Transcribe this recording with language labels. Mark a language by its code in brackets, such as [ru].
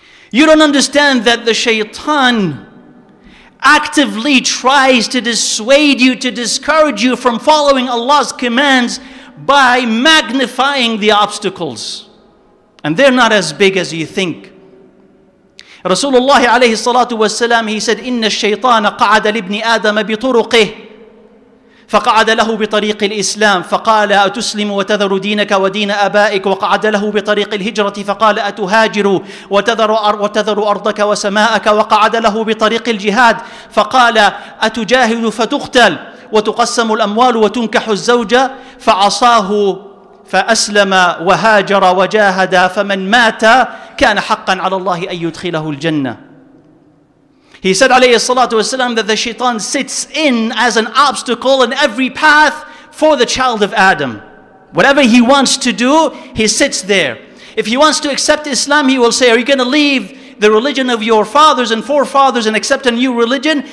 [en] You don't understand that the shaitan actively tries to dissuade you, to discourage you from following Allah's commands by magnifying the obstacles. And they're not as big as you think. Rasulullah alayhi salatu wasalam, he said, [ar] إِنَّ الشَّيْطَانَ قَعَدَ لِبْنِ آدَمَ بِطُرُقِهِ فَقَعَدَ لَهُ بِطَرِيقِ الْإِسْلَامِ فَقَالَ أَتُسْلِمُ وَتَذَرُ دِينَكَ وَدِينَ أَبَائِكَ وَقَعَدَ لَهُ بِطَرِيقِ الْهِجْرَةِ فَقَالَ أَتُهَاجِرُ وَتَذَرُ أَرْضَكَ وَسَمَاءَكَ وَقَعَدَ لَهُ بِطَرِيقِ الْجِهَادِ فَقَالَ أَتُجَاهِدُ فَتُقْتَلُ وَتُقَسَّمُ الْأَمْوَالُ وَتُنْكَحُ الزَّوْجَةُ فَعَصَاهُ فَأَسْلَمَ وَهَاجَرَ وَجَاهَدَ فَمَنْ مَاتَ كَانَ حَقًّا عَلَى اللَّهِ أَنْ يُدْخِلَهُ الْجَنَّةَ. [en] He said, alayhi salatu wasalam, that the shaitan sits in as an obstacle in every path for the child of Adam. Whatever he wants to do, he sits there. If he wants to accept Islam, he will say, are you going to leave the religion of your fathers and forefathers and accept a new religion?